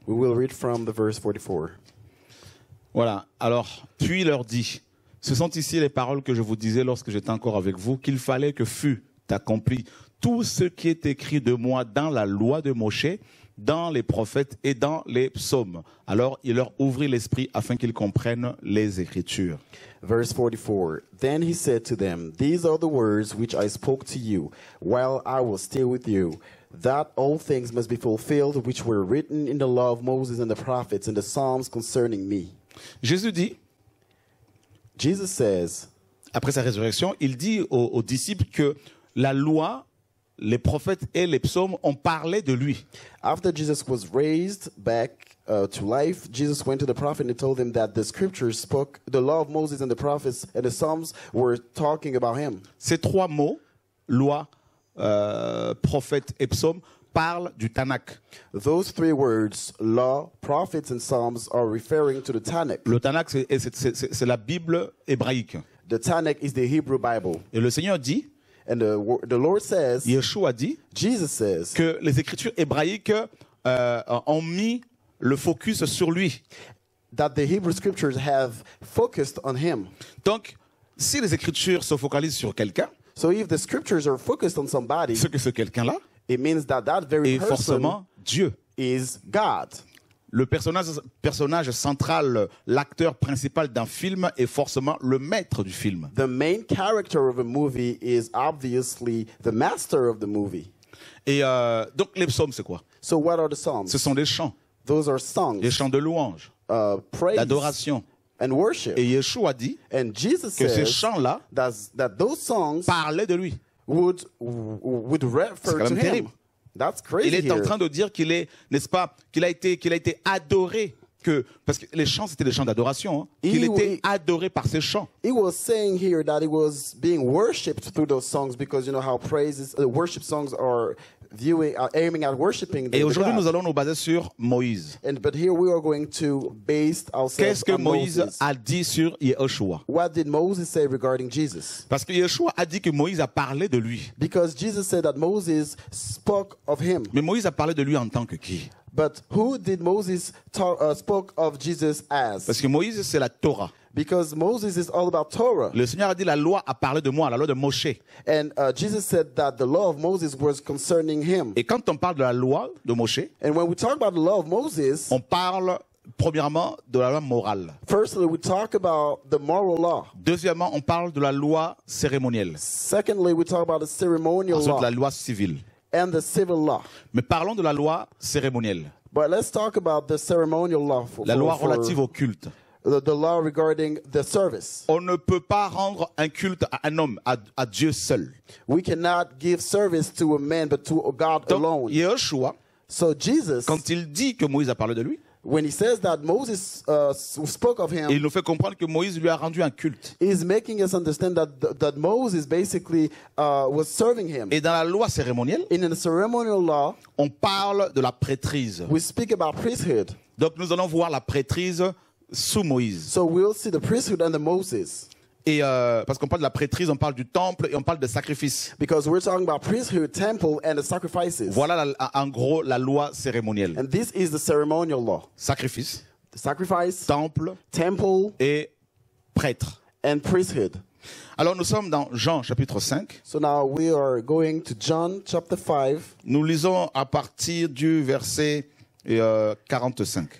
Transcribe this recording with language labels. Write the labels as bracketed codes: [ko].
[en] We will read from the verse 44. [fr] Voilà. Alors, puis il leur dit, ce sont ici les paroles que je vous disais lorsque j'étais encore avec vous, qu'il fallait que fût accompli tout ce qui est écrit de moi dans la loi de Moïse, dans les prophètes et dans les psaumes. Alors il leur ouvrit l'esprit afin qu'ils comprennent les Écritures. [en] Verse 44. Then he said to them, these are the words which I spoke to you while I was still with you, that all things must be fulfilled which were written in the law of Moses and the prophets and the psalms concerning me. [fr] Jésus dit, [en] Jesus says, [fr] après sa résurrection, il dit aux disciples que la loi, les prophètes et les psaumes ont parlé de lui. [en] After Jesus was raised back to life, Jesus went to the prophet and told them that the scriptures spoke, the law of Moses and the prophets and the psalms were talking about him. [fr] Ces trois mots, loi, prophète et psaume, parlent du Tanakh. [en] Those three words, law, prophets and psalms, are referring to the Tanakh. [fr] Le Tanakh, c'est la Bible hébraïque. [en] The Tanakh is the Hebrew Bible. [fr] Et le Seigneur dit, [en] and the Lord says, [fr] Yeshua dit, [en] Jesus says, [fr] que les écritures hébraïques ont mis le focus sur lui. [en] That the Hebrew scriptures have focused on him. [fr] Donc, si les écritures se focalisent sur quelqu'un, [en] so if the scriptures are focused on somebody, [fr] ce que ce quelqu'un-là, [en] it means that that very [fr] est forcément Dieu. [en] Is God. [fr] Le personnage central, l'acteur principal d'un film est forcément le maître du film. [en] The main character of a movie is obviously the master of the movie. [fr] Et donc les psaumes c'est quoi? [en] So what are the psalms? [fr] Ce sont des chants. [en] Those are songs. [fr] Des chants de louange. [en] Praise. [fr] D'adoration. [en] And worship. [fr] Et Yeshua dit [en] and Jesus [fr] que [en] says [fr] ces chants-là [en] that those songs [fr] parlaient de lui. [en] Would refer [fr] c'est quand même [en] to [fr] terrible. [en] Him. That's crazy. [fr] Il est [en] here. [fr] En train de dire qu'il est, n'est-ce pas, qu'il a été adoré, que parce que les chants c'était des chants d'adoration, hein, qu'il était adoré par ces chants. [en] He was saying here that he was being worshipped through those songs because you know how praises, worship songs are viewing, are aiming at worshiping. [fr] Et aujourd'hui nous allons nous baser sur Moïse. [en] But here we are going to base ourselves. [fr] Qu'est-ce que Moïse a dit sur Yeshua? [en] What did Moses say regarding Jesus? [fr] Parce que Yeshua a dit que Moïse a parlé de lui. [en] Because Jesus said that Moses spoke of him. [fr] Mais Moïse a parlé de lui en tant que qui? [en] But who did Moses talk, spoke of Jesus as? [fr] Parce que Moïse, c'est la Torah. [en] Because Moses is all about Torah. [fr] Le Seigneur a dit la loi a parlé de moi, la loi de Moshe. [en] And Jesus said that the law of Moses was concerning him. [fr] Et quand on parle de la loi de Moshe, [en] and when we talk about the law of Moses, [fr] on parle premièrement de la loi morale. [en] Firstly, we talk about the moral law. [fr] Deuxièmement, on parle de la loi cérémonielle. [en] Secondly, we talk about the ceremonial law. [fr] Ensuite, la loi civile. [en] And the civil law. [fr] Mais parlons de la loi cérémonielle. [en] But let's talk about the ceremonial law. [fr] La loi relative au culte. [en] The law regarding the service. [fr] On ne peut pas rendre un culte à un homme, à Dieu seul. [en] We cannot give service to a man, but to a God [fr] Donc, [en] alone. [fr] Yeshua, [en] so Jesus, [fr] quand il dit que Moïse a parlé de lui, [en] when he says that Moses spoke of him, [fr] il nous fait comprendre que Moïse lui a rendu un culte. [en] He's making us understand that Moses basically was serving him. [fr] Et dans la loi cérémonielle, [en] in the ceremonial law, [fr] on parle de la prêtrise. [en] We speak about priesthood. [fr] Donc nous allons voir la prêtrise sous Moïse. [en] So we'll see the priesthood under Moses. [fr] Et parce qu'on parle de la prêtrise, on parle du temple et on parle de sacrifices. [en] Because we're talking about priesthood, temple and the sacrifices. [fr] Voilà en gros la loi cérémonielle. [en] And this is the ceremonial law. [fr] Sacrifice. [en] The sacrifice. [fr] Temple. [en] Temple. [fr] Et prêtre. [en] And priesthood. [fr] Alors nous sommes dans Jean chapitre 5. [en] So now we are going to John chapter 5. [fr] Nous lisons à partir du verset 45.